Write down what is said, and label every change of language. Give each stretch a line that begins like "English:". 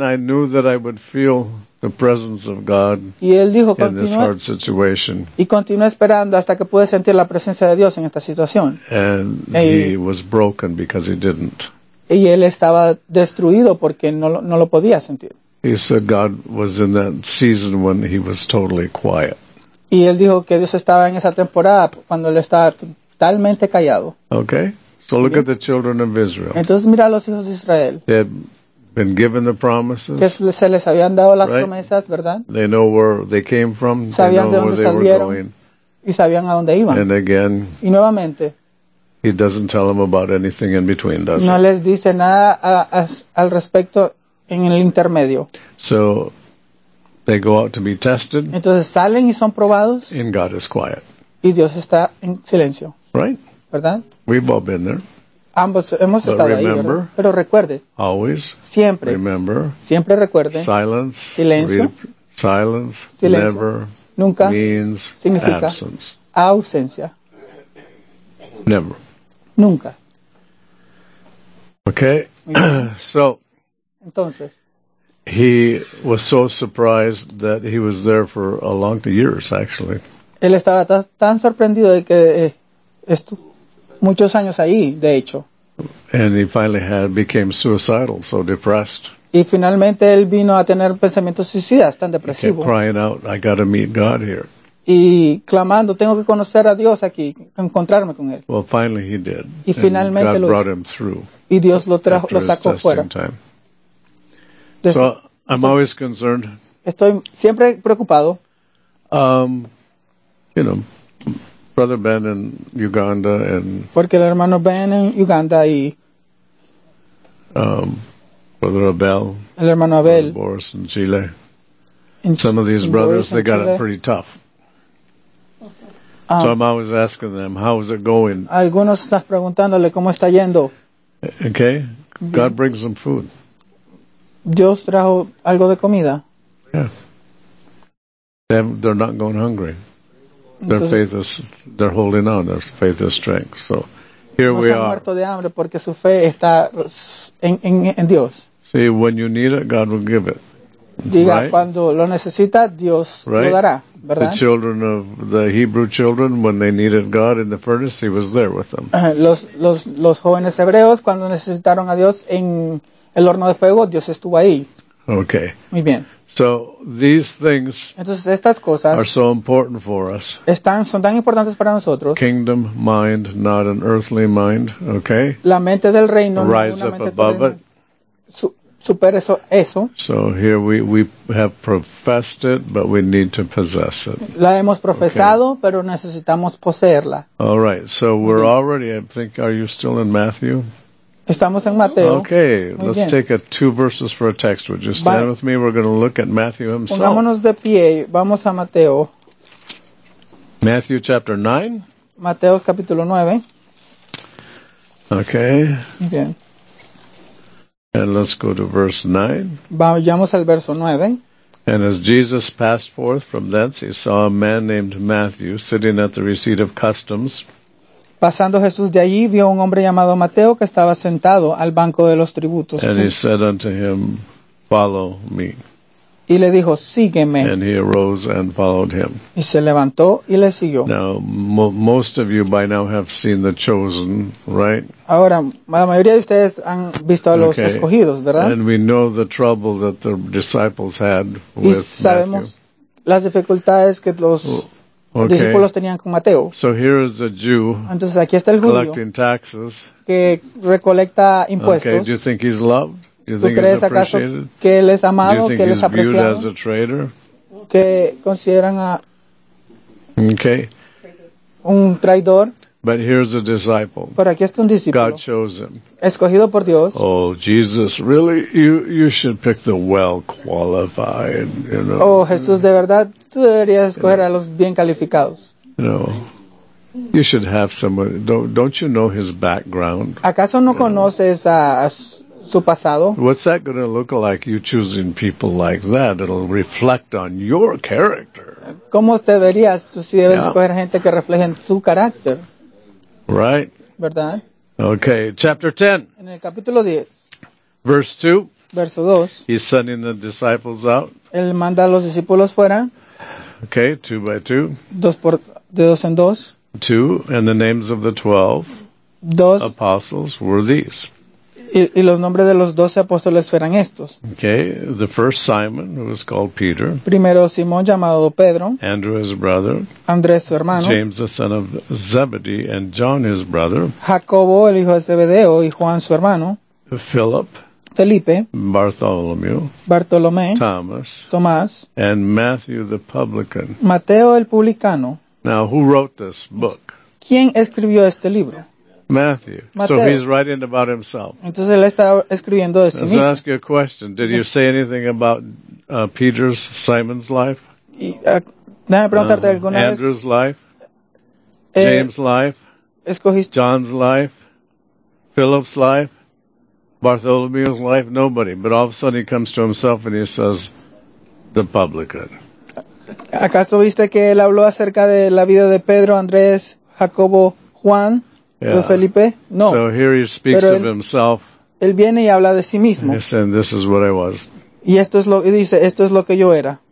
English: I knew that I would feel the presence of God
Spanish: y él dijo,
English: in this hard situation.
Spanish: Y continué esperando hasta que pude sentir la presencia de Dios en esta situación.
English: And he was broken because he didn't.
Spanish: Y él estaba destruido porque no lo podía sentir.
English: He said God was in that season when he was totally quiet.
Spanish: Y él dijo que Dios estaba en esa temporada cuando él estaba totalmente callado.
English: Okay. So look at the children of Israel.
Spanish: Entonces mira a los hijos de Israel.
English: They had been given the promises.
Spanish: Que se les habían dado las promesas, ¿verdad?
English: They know where they came from.
Spanish: Sabían
English: they know
Spanish: salieron,
English: they were going.
Spanish: Y sabían a dónde iban.
English: And again.
Spanish: Y nuevamente.
English: He doesn't tell them about anything in between, does he?
Spanish: No les dice nada al respecto en el intermedio.
English: So they go out to be tested.
Spanish: Entonces salen y son probados.
English: And God is quiet.
Spanish: Y Dios está en silencio.
English: Right.
Spanish: ¿Verdad?
English: We've all been there.
Spanish: Ambos hemos estado
English: remember,
Spanish: ahí, ¿verdad? Pero recuerde.
English: Always.
Spanish: Siempre.
English: Remember.
Spanish: Siempre recuerde.
English: Silence.
Spanish: Silencio.
English: Silence.
Spanish: Silencio.
English: Never.
Spanish: Nunca.
English: Means
Spanish: significa
English: absence.
Spanish: Ausencia.
English: Never.
Spanish: Nunca.
English: Okay. So.
Spanish: Entonces.
English: He was so surprised that he was there for a long years, actually.
Spanish: Él estaba tan sorprendido de que esto. Muchos años ahí, de hecho.
English: And he finally had became suicidal, so depressed.
Spanish: Y finalmente él vino a tener pensamientos suicidas, tan depresivo.
English: He kept crying out, I gotta meet God here.
Spanish: Y clamando, tengo que conocer a Dios aquí, encontrarme con él.
English: Well, finally he did.
Spanish: Y finalmente
English: God
Spanish: lo
English: brought him through.
Spanish: Y Dios lo trajo, lo sacó fuera.
English: Time. So I'm always concerned.
Spanish: Estoy siempre preocupado.
English: You know. Brother Ben in Uganda and
Spanish: porque el hermano Ben en Uganda y
English: Brother Abel,
Spanish: el hermano Abel,
English: Boris in Chile. Some of these brothers, they got it pretty tough. So I'm always asking them, how is it going?
Spanish: Algunos están preguntándole cómo está yendo.
English: Okay, God brings them food.
Spanish: Dios trajo algo de comida.
English: Yeah, they're not going hungry. Their faith is, they're holding on, their faith is strength. So, here we are.
Spanish: No se han muerto de hambre porque su fe está en Dios.
English: See, when you need it, God will give it.
Spanish: Diga,
English: right?
Spanish: Cuando lo necesita, Dios
English: right?
Spanish: lo dará, ¿verdad?
English: The children of the Hebrew children, when they needed God in the furnace, he was there with them.
Spanish: Los jóvenes hebreos, cuando necesitaron a Dios en el horno de fuego, Dios estuvo ahí.
English: Okay.
Spanish: Muy bien.
English: So these things
Spanish: entonces, estas cosas
English: are so important for us.
Spanish: Son tan importantes para nosotros.
English: Kingdom mind, not an earthly mind. Okay.
Spanish: La mente del reino.
English: Rise up above it.
Spanish: Supera eso.
English: So here we have professed it, but we need to possess it.
Spanish: La hemos profesado, okay. Pero necesitamos poseerla.
English: All right. So we're already. I think. Are you still in Matthew?
Spanish: Estamos en Mateo.
English: Okay, let's take a two verses for a text. Would you stand with me? We're going to look at Matthew himself.
Spanish: Pongámonos de pie. Vamos a Mateo.
English: Matthew chapter 9.
Spanish: Mateo capítulo 9.
English: Okay.
Spanish: Bien.
English: And let's go to verse
Spanish: 9. Vayamos al verso 9.
English: And as Jesus passed forth from thence, he saw a man named Matthew sitting at the receipt of customs.
Spanish: Pasando Jesús de allí, vio un hombre llamado Mateo que estaba sentado al banco de los tributos.
English: And he said unto him, follow me.
Spanish: Y le dijo, sígueme.
English: And he arose and followed him.
Spanish: Y se levantó y le siguió.
English: Now, most of you by now have seen The Chosen, right?
Spanish: Ahora, la mayoría de ustedes han visto a los escogidos, ¿verdad?
English: And we know the trouble that the disciples had
Spanish: y sabemos
English: Matthew.
Spanish: Las dificultades que los...
English: Okay.
Spanish: Los discípulos tenían con Mateo.
English: So here is a Jew.
Spanish: Entonces aquí está el judío.
English: Collecting taxes.
Spanish: Que recolecta impuestos.
English: Okay, do you think he's loved? Do you
Spanish: ¿tú
English: think
Spanish: crees
English: he's appreciated?
Spanish: Acaso que él es amado,
English: do you think
Spanish: que él es apreciado?
English: Viewed as a traitor?
Spanish: Que consideran a
English: okay.
Spanish: un traidor.
English: But here's a disciple.
Spanish: Pero aquí está un discípulo.
English: God chose him.
Spanish: Escogido por Dios.
English: Oh, Jesus, really? You should pick the well-qualified, you know.
Spanish: Oh, Jesús, de verdad, tú deberías escoger a los bien calificados.
English: No. You should have someone. Don't you know his background?
Spanish: ¿Acaso no conoces su pasado?
English: What's that going to look like, you choosing people like that? It'll reflect on your character.
Spanish: ¿Cómo te verías si debes escoger gente que refleje en tu carácter?
English: Right.
Spanish: ¿Verdad?
English: Okay, chapter 10.
Spanish: En el capítulo 10.
English: Verse 2.
Spanish: Verso 2.
English: He's sending the disciples out.
Spanish: Él manda a los discípulos fuera.
English: Okay, 2 by 2.
Spanish: Dos por de dos en dos.
English: 2 and the names of the 12
Spanish: dos.
English: Apostles were these.
Spanish: Y los nombres de los 12 apóstoles fueran estos.
English: Okay, the first Simon, who was called Peter.
Spanish: Primero Simón, llamado Pedro.
English: Andrew, his brother.
Spanish: Andrés, su hermano.
English: James, the son of Zebedee, and John, his brother.
Spanish: Jacobo, el hijo de Zebedeo, y Juan, su hermano.
English: Philip.
Spanish: Felipe.
English: Bartholomew.
Spanish: Bartolomé.
English: Thomas.
Spanish: Tomás.
English: And Matthew, the publican.
Spanish: Mateo, el publicano.
English: Now, who wrote this book?
Spanish: ¿Quién escribió este libro?
English: Matthew.
Spanish: Mateo.
English: So he's writing about himself.
Spanish: Entonces él está escribiendo de sí mismo.
English: Let's ask you a question. Did you say anything about Peter's, Simon's life?
Spanish: Déjame preguntarte alguna vez.
English: Andrew's life? James' life?
Spanish: Escogiste.
English: John's life? Philip's life? Bartholomew's life? Nobody. But all of a sudden he comes to himself and he says, the publican.
Spanish: ¿Acaso viste que él habló acerca de la vida de Pedro, Andrés, Jacobo, Juan?
English: Yeah.
Spanish: Felipe? No.
English: So here he speaks
Spanish: pero
English: of himself.
Spanish: Él viene y habla de sí mismo.
English: He said, this is what I was.
Spanish: Y esto es lo, y dice, esto es lo que yo era.